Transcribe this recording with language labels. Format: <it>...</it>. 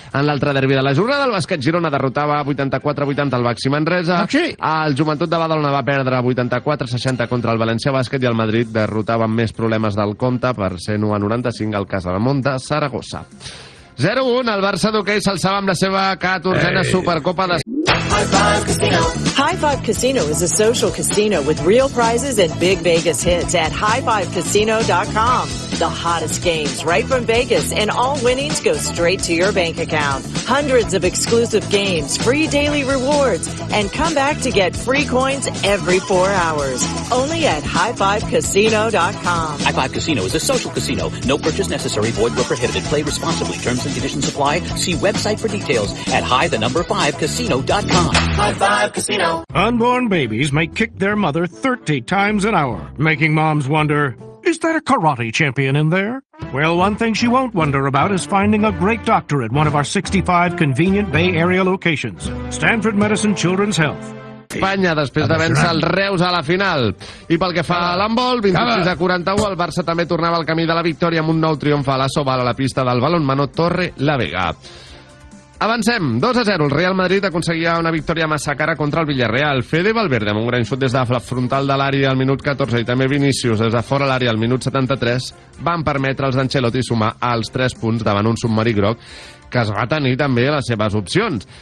<ca>En l'altre derbi de la jornada, el bàsquet Girona derrotava 84-80 el Baxi Manresa. El Joventut de Badalona va perdre 84-60 contra el València Bàsquet, i el Madrid derrotava amb més problemes del compte per 101-95 al Casademont de Saragossa. 0-1, el Barça d'hoquei s'alçava amb la seva 14a Supercopa de...</ca> <en>High Five Casino is a social casino with real prizes and big Vegas hits at highfivecasino.com. The hottest games right from Vegas, and all winnings go straight to your bank account. Hundreds of exclusive games, free daily rewards, and come back to get free coins every 4 hours. Only at highfivecasino.com. High Five Casino is a social casino. No purchase necessary. Void where prohibited. Play responsibly. Terms and conditions apply. See website for details at highthenumber5casino.com. High Five Casino. Unborn babies may kick their mother 30 times an hour, making moms wonder, is that a karate champion in there? Well, one thing she won't wonder about is finding a great doctor at one of our 65 convenient Bay Area locations. Stanford Medicine Children's Health.</en> <ca>Espanya, després de vèncer el Reus a la final. I pel que fa a l'handbol, 26-41, el Barça també tornava al camí de la victòria amb un nou triomf a la Sobal a la pista del balonmano Torre La Vega. Avancem. 2-0. El Real Madrid aconseguia una victòria massa cara contra el Villarreal. Fede Valverde amb un gran xut des de la frontal de l'àrea al minut 14 i també Vinícius des de fora l'àrea al minut 73 van permetre als d'Ancelotti sumar els 3 punts davant un submarí groc que es va tenir també les seves opcions.</ca>